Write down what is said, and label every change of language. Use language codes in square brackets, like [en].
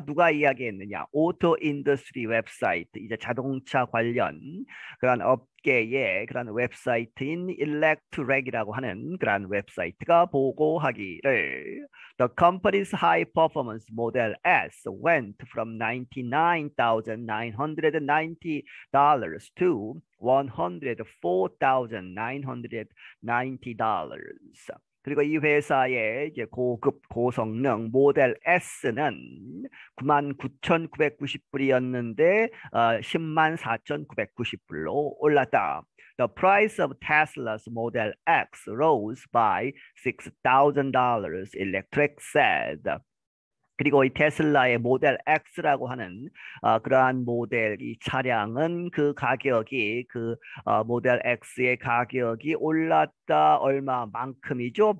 [ko] 누가 이야기했느냐? 오토 인더스트리 웹사이트 이제 자동차 관련 그러한 업계의 그러한 웹사이트인 일렉트렉이라고 하는 그러한 웹사이트가 보고하기를 [en] The company's high performance model S went from $99,990 to $104,990. [ko] 그리고 이 회사의 이제 고급 고성능 모델 S는 99,990불이었는데 104,990불로 올랐다. [en] The price of Tesla's Model X rose by $6,000, Electric said. [ko] 그리고 이 테슬라의 모델 X라고 하는 그러한 모델 이 차량은 그 가격이 그 모델 X의 가격이 올랐다 얼마만큼이죠?